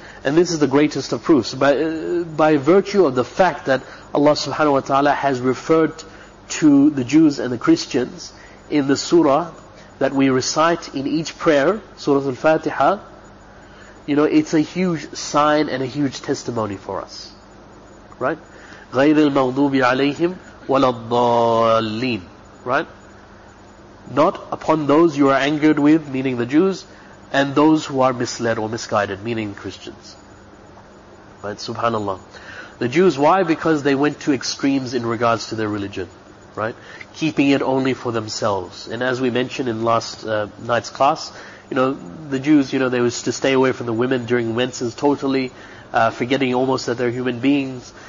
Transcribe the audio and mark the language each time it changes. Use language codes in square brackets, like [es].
[en] And this is the greatest of proofs. By virtue of the fact that Allah subhanahu wa ta'ala has referred to the Jews and the Christians in the surah that we recite in each prayer, Surah Al-Fatiha, you know, it's a huge sign and a huge testimony for us. Right? [ar] غير المغضوب عليهم ولا الضالين. [en] Right? Not upon those you are angered with, meaning the Jews, and those who are misled or misguided, meaning Christians. Right? Subhanallah. The Jews, why? Because they went to extremes in regards to their religion. Right? Keeping it only for themselves. And as we mentioned in last night's class, you know, the Jews, you know, they was to stay away from the women during menses totally, forgetting almost that they're human beings.